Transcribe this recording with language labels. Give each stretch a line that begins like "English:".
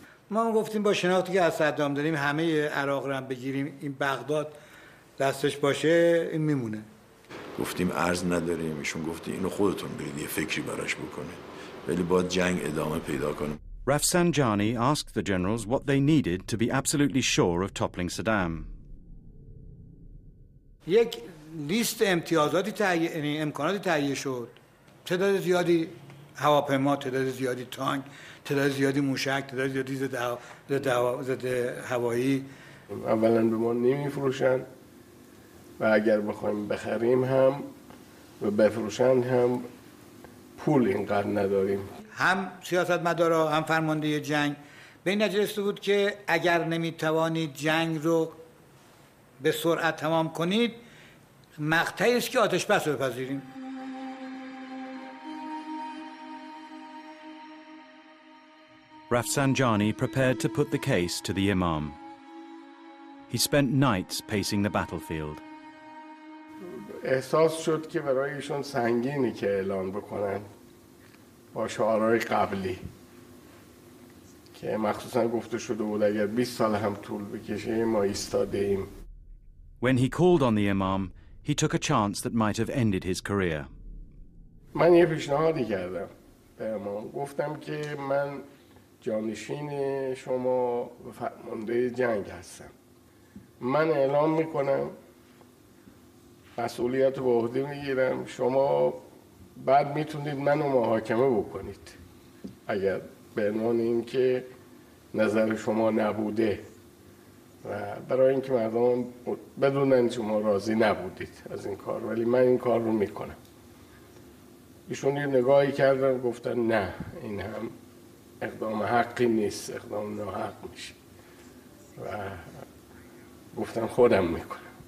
Persian: ما هم گفتیم با شناختی که از صدام داریم همه عراق رو هم بگیریم این بغداد دستش باشه این میمونه گفتیم عرض نداریم ایشون گفتی اینو خودتون برید یه فکری براش بکنید ولی باید جنگ ادامه پیدا کنه
English: Rafsanjani asked the generals what they needed to be absolutely sure of toppling Saddam
Persian: یک لیست امتیازاتی یعنی امکاناتی تهیه شد تعداد زیادی هواپیما تعداد زیادی تانک تعداد زیادی موشک، تعداد زیادی زده هوایی اولا به ما نمیفروشن و اگر بخوایم بخریم هم و بفروشن هم پول اینقدر نداریم هم سیاست مدارا هم فرمانده جنگ به این نجرسته بود که اگر نمیتوانید جنگ رو به سرعت تمام کنید مقطعی است که آتش بس رو بپذیریم
English: Rafsanjani prepared to put the case to the Imam. He spent nights pacing the battlefield.
Persian: احساس شد که برای ایشون سنگینی که اعلان بکنن با شعارهای قبلی که مخصوصا گفته شده بود اگر 20 سال هم طول بکشه ما ایستاده ایم.
English: When he called on the Imam, he took a chance that might have ended his career.
Persian: من یه پیشنهادی کردم به امام گفتم که من جانشین شما و فرمانده جنگ هستم من اعلام میکنم مسئولیت به عهده میگیرم شما بعد میتونید منو محاکمه بکنید اگر به عنوان این که نظر شما نبوده و برای این که مردم بدونن شما راضی نبودید از این کار ولی من این کار رو میکنم ایشون یه نگاهی کردن گفتن نه این هم اقدام حقی نیست اقدام ناحق میشه و گفتم خودم میکنم